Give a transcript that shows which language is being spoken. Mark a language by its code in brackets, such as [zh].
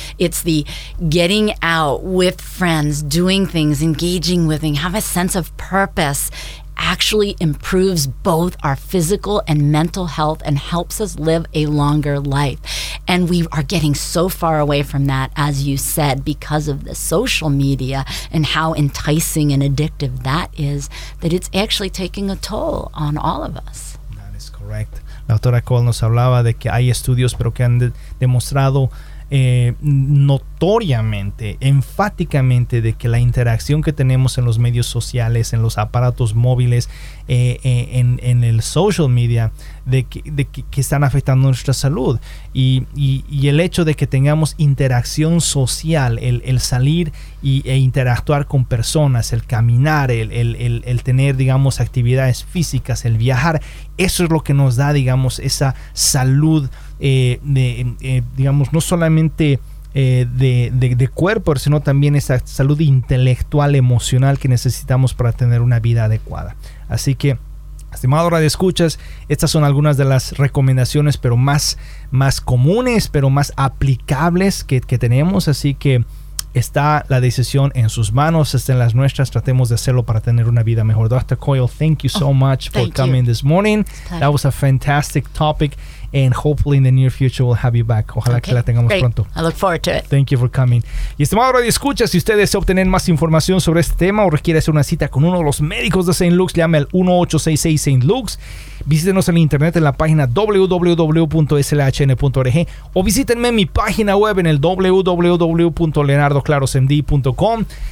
[en] It's the getting out with friends, doing things, engaging with them, have a sense of purpose, actually improves both our physical and mental health and helps us live a longer life. And we are getting so far away from that, as you said, because of the social media and how enticing and addictive that is, that it's actually taking a toll on all of us. That is correct. [es] La doctora Cole nos hablaba de que hay estudios, pero que han demostrado notoriamente, enfáticamente, de que la interacción que tenemos en los medios sociales, en los aparatos móviles, en el social media, de que están afectando nuestra salud. Y el hecho de que tengamos interacción social, el salir e interactuar con personas, el caminar, el tener, digamos, actividades físicas, el viajar, eso es lo que nos da, digamos, esa salud, digamos, no solamente de cuerpo, sino también esa salud intelectual, emocional, que necesitamos para tener una vida adecuada. Así que, estimado radioescuchas, estas son algunas de las recomendaciones, pero más comunes, pero más aplicables que tenemos. Así que está la decisión en sus manos, está en las nuestras. Tratemos de hacerlo para tener una vida mejor. [en] Dr. Coyle, thank you so much for coming this morning. That was a fantastic topic. And hopefully in the near future we'll have you back. [es] Ojalá que la tengamos pronto. [en] I look forward to it. Thank you for coming. [es] Y estimado radio escucha, si usted desea obtener más información sobre este tema o requiere hacer una cita con uno de los médicos de St. Luke's, llame al 1-866-SAINT-LUKE'S. Visítenos en internet en la página www.slhn.org o visítenme en mi página web en el www.leonardoclarosmd.com.